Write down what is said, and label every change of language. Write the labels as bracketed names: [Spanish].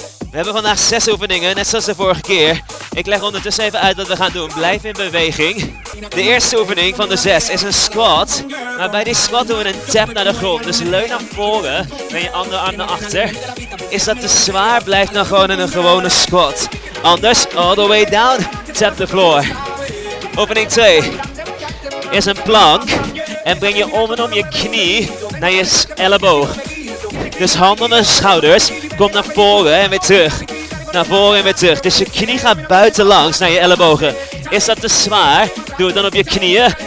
[Dutch] We hebben vandaag 6 oefeningen, net zoals de vorige keer. Ik leg ondertussen even uit wat we gaan doen. Blijf in beweging. De eerste oefening van de 6 is een squat. Maar bij die squat doen we een tap naar de grond. Dus leun naar voren met je andere arm naar achter. Is dat te zwaar, blijf dan gewoon in een gewone squat. [English] Anders, all the way down, tap the floor. [Dutch] Oefening 2 is een plank. En breng je om en om je knie naar je elleboog. Dus handen en schouders, kom naar voren en weer terug. Naar voren en weer terug. Dus je knie gaat buitenlangs naar je ellebogen. Is dat te zwaar, doe het dan op je knieën.